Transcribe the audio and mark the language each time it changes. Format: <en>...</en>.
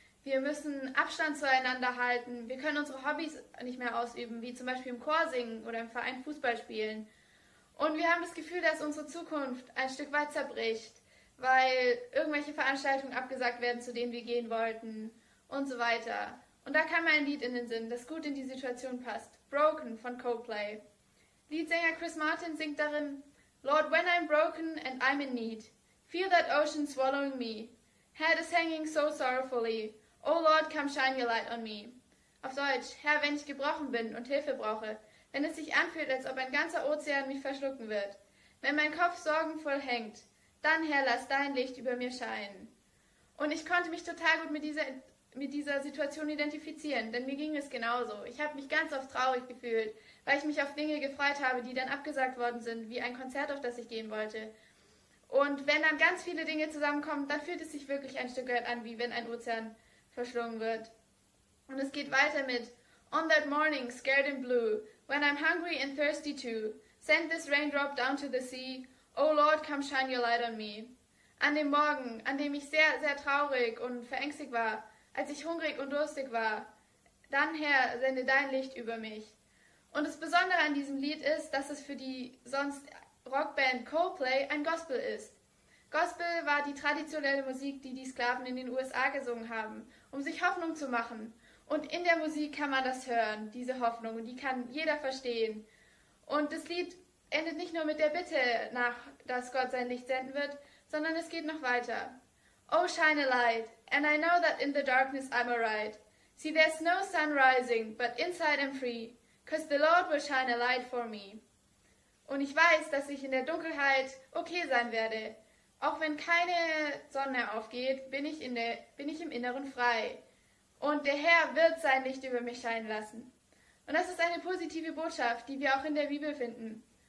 <de>Wir müssen Abstand zueinander halten. Wir können unsere Hobbys nicht mehr ausüben, wie zum Beispiel im Chor singen oder im Verein Fußball spielen. Und wir haben das Gefühl, dass unsere Zukunft ein Stück weit zerbricht, weil irgendwelche Veranstaltungen abgesagt werden, zu denen wir gehen wollten. Und so weiter. Und da kam ein Lied in den Sinn, das gut in die Situation passt. Broken von Coldplay. Leadsänger Chris Martin singt darin:</de> <en>Lord, when I'm broken and I'm in need, feel that ocean swallowing me. Head is hanging so sorrowfully. Oh Lord, come shine your light on me.</en> <de>Auf Deutsch: Herr, wenn ich gebrochen bin und Hilfe brauche, wenn es sich anfühlt, als ob ein ganzer Ozean mich verschlucken wird, wenn mein Kopf sorgenvoll hängt, dann Herr, lass dein Licht über mir scheinen. Und ich konnte mich total gut mit dieser Situation identifizieren, denn mir ging es genauso. Ich habe mich ganz oft traurig gefühlt, weil ich mich auf Dinge gefreut habe, die dann abgesagt worden sind, wie ein Konzert, auf das ich gehen wollte. Und wenn dann ganz viele Dinge zusammenkommen, dann fühlt es sich wirklich ein Stück weit an, wie wenn ein Ozean verschlungen wird. Und es geht weiter mit:</de> <en>On that morning, scared and blue, when I'm hungry and thirsty too, send this raindrop down to the sea, oh Lord, come shine your light on me.</en> <de>An dem Morgen, an dem ich sehr, sehr traurig und verängstigt war, als ich hungrig und durstig war, dann Herr, sende dein Licht über mich. Und das Besondere an diesem Lied ist, dass es für die sonst Rockband Coldplay ein Gospel ist. Gospel war die traditionelle Musik, die die Sklaven in den USA gesungen haben, um sich Hoffnung zu machen. Und in der Musik kann man das hören, diese Hoffnung, und die kann jeder verstehen. Und das Lied endet nicht nur mit der Bitte, dass Gott sein Licht senden wird, sondern es geht noch weiter.</de> <en>Oh, shine a light, and I know that in the darkness I'm alright. See, there's no sun rising, but inside I'm free, 'cause the Lord will shine a light for me.</en> <de>Und ich weiß, dass ich in der Dunkelheit okay sein werde. Auch wenn keine Sonne aufgeht, bin ich im Inneren frei. Und der Herr wird sein Licht über mich scheinen lassen. Und das ist eine positive Botschaft, die wir auch in der Bibel finden.</de>